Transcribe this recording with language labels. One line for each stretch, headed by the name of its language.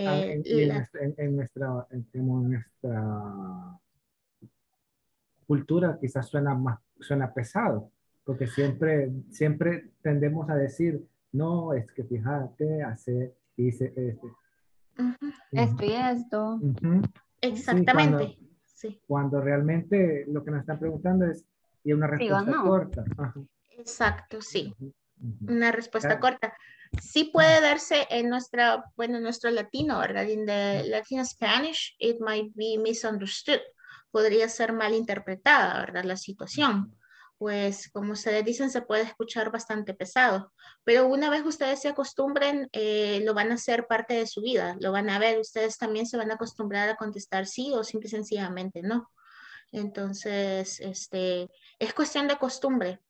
Spanish: En nuestra cultura quizás suena pesado, porque siempre tendemos a decir no, es que fíjate, hace, dice este. Esto. Exactamente. Sí, cuando realmente lo que nos están preguntando es y una respuesta sí, no. Corta. Exacto, sí. Una respuesta ¿Ya? corta. Sí puede darse en nuestra, bueno, nuestro latino, ¿verdad?
English: In the Latin Spanish, it might be misunderstood.
Spanish: Podría ser mal interpretada, ¿verdad? La situación. Pues, como ustedes dicen, se puede escuchar bastante pesado. Pero una vez ustedes se acostumbren, lo van a hacer parte de su vida. Lo van a ver. Ustedes también se van a acostumbrar a contestar sí o simple y sencillamente no. Entonces, este, es cuestión de costumbre.